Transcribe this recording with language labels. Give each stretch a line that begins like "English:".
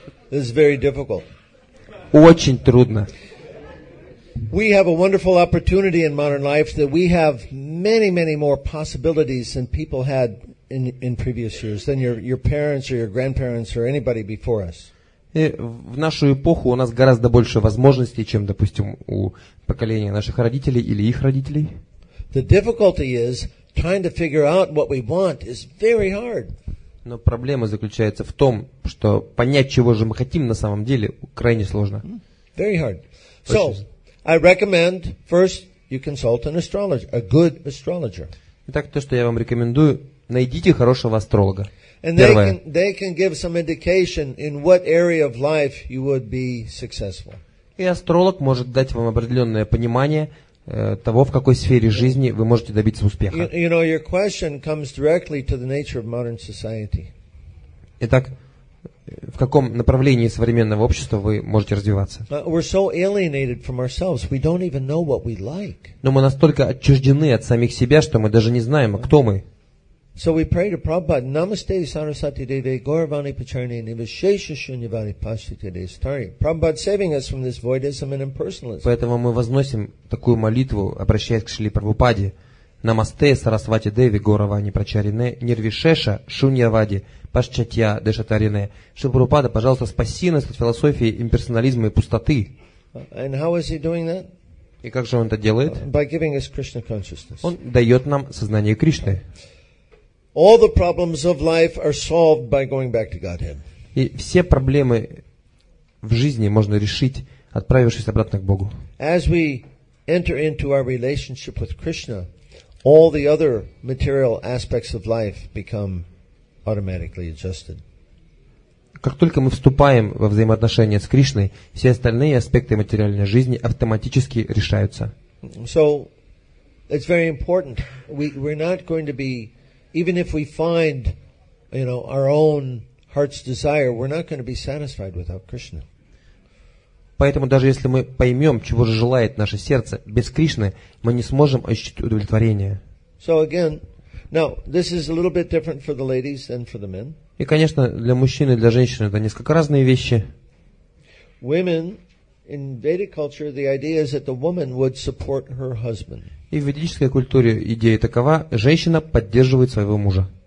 English: This is very difficult.
Russian: Очень трудно.
English: We have a wonderful opportunity in modern life that we have many, many more possibilities than people had in previous years, than your parents or your grandparents or anybody before us.
Russian: И в нашу эпоху у нас гораздо больше возможностей, чем, допустим, у поколения наших родителей или их родителей.
English: The difficulty is trying to figure out what we want is very hard.
Russian: Но проблема заключается в том, что понять, чего же мы хотим на самом деле, крайне сложно.
English: Very hard. So, I recommend first you consult an astrologer, a good astrologer.
Russian: Итак, то, что я вам рекомендую, найдите хорошего астролога.
English: And they can give some indication in what area of life you would be successful.
Russian: И астролог может дать вам определенное понимание того, в какой сфере жизни вы можете добиться успеха.
English: You know, your question comes directly to the nature of modern society.
Russian: Итак, в каком направлении современного общества вы можете развиваться?
English: We're so alienated from ourselves, we don't even know what we like.
Russian: Но мы настолько отчуждены от самих себя, что мы даже не знаем, кто мы.
English: So we pray to Prabhupada,
Sanskrit: Namaste Sarasati Deve Gauravani Pacharini Nivashesha Shunyavani Pashti Deve Stari.
English: Prabhupada saving us from this voidism and impersonalism.
Russian: Поэтому мы возносим такую молитву, обращаясь к Шриле Прабхупаде.
Sanskrit: Намасте Сарасвати Деви Гауравани Прачарине Нирвишеша Шуньявади Пашчатья Дешатарине.
Russian: Шрила Прабхупада, пожалуйста, спаси нас от философии имперсонализма и пустоты.
English: And how is he doing that?
Russian: И как же он это делает?
English: By giving us Krishna consciousness.
Russian: Он дает нам сознание Кришны.
English: All the problems of life are solved by going back to Godhead.
Russian: И все проблемы в жизни можно решить, отправившись обратно к Богу.
English: As we enter into our relationship with Krishna, all the other material aspects of life become automatically adjusted.
Russian: Как только мы вступаем во взаимоотношения с Кришной, все остальные аспекты материальной жизни автоматически решаются.
English: So it's very important. We're not going to be even if we find, you know, our own heart's desire, we're not going to be satisfied without Krishna.
Russian: Поэтому даже если мы поймем, чего же желает наше сердце, без Кришны мы не сможем ощутить удовлетворение.
English: So again, now this is a little bit different for the ladies than for the men.
Russian: И, конечно, для мужчин и для женщин это несколько разные вещи.
English: Women in Vedic culture, the idea is that the woman would support her husband.
Russian: И в ведической культуре идея такова: женщина поддерживает своего мужа.